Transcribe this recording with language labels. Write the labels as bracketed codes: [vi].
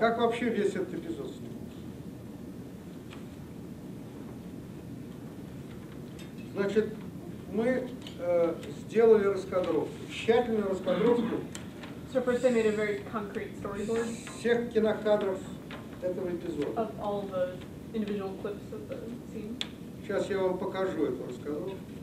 [ru] Как вообще весь этот эпизод снимался? Значит, мы сделали раскадровку, тщательную раскадровку. [en] So first they made a very concrete storyboard. [ru] Всех кинокадров этого эпизода. [en] Of all the individual clips of the scene. [ru] Сейчас я вам покажу эту раскадровку.